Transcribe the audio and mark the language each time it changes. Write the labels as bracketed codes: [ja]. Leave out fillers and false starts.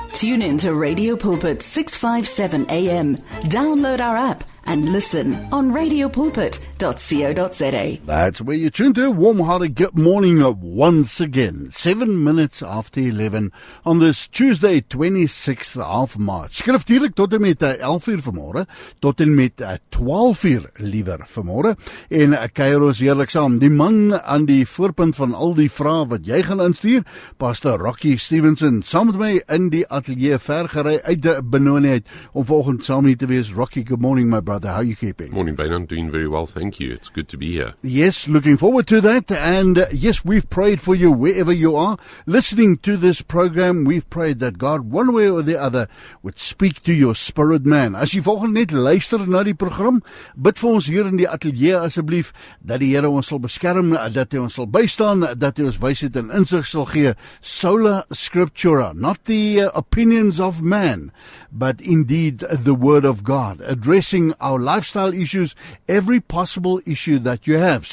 [en] Tune in to Radio Pulpit 657 AM. Download our app and listen on radiopulpit.co.za. That's where you tune to. Warm hearted good morning once again. 7 minutes after 11 on this Tuesday, 26th of March. [af] Skriftuurlik tot en met 11 uur vanmorgen, tot en met 12 uur liever vanmorgen. En kuier ons heerlik saam. Die man aan die voorpunt van al die vrae wat jy gaan instuur, Pastor Rocky Stevenson, saam met my in die atelier vergerei uit de Benoniheid om volgende saam hier te wees. [en] Rocky, good morning, my brother. How are you keeping? Morning, Ben. I'm doing very well, thank you. It's good to be here. Yes, looking forward to that. And yes, we've prayed for you wherever you are listening to this program. We've prayed that God, one way or the other, would speak to your spirit man. [af] As jy volgende net luister na die program, bid vir ons hier in die atelier asseblief, dat die Here ons sal beskerm, dat hy ons sal bystaan, dat hy ons wysheid en insig sal gee. [en] Sola scriptura, not the opinions of man, but indeed the word of God, addressing our lifestyle issues, every possible issue that you have.